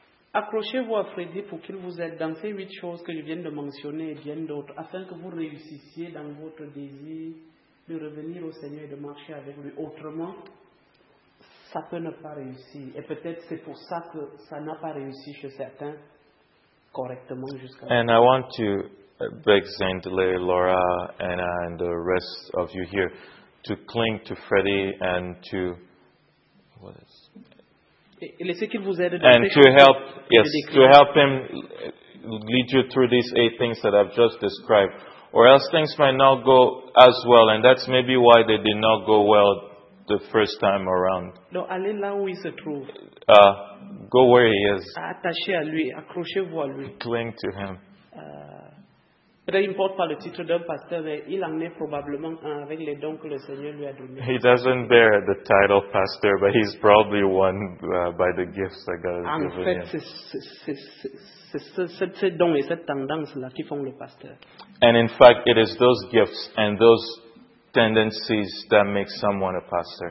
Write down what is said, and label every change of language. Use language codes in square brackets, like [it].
[fr] Accrochez-vous à Freddy pour qu'il vous aide dans ces 8 choses que je viens de mentionner et bien d'autres, afin que vous réussissiez dans votre désir de revenir au Seigneur et de marcher avec lui. Autrement, ça peut ne pas réussir. Et peut-être c'est pour ça que ça n'a pas réussi chez certains correctement jusqu'à maintenant. [en] And I want to beg Zendley, Laura, Anna, and the rest of you here to cling to Freddy and to... And to help, yes, to help him lead you through these 8 things that I've just described. Or else things might not go as well, and that's maybe why they did not go well the first time around. [fr] No, allez là où il se trouve. [en] Go where he is. [fr] Attaché à lui, accrochez-vous à lui. [en] Cling to him. [fr] Peu importe par le titre d'un pasteur, il en est probablement un avec les dons que le Seigneur lui a donné. [en] He doesn't bear the title pastor, but he's probably one by the gifts that God has given him. [fr] En fait, c'est ces dons et cette tendance là qui font le pasteur. [en] And in fact, it is those gifts and those tendencies that make someone a pastor.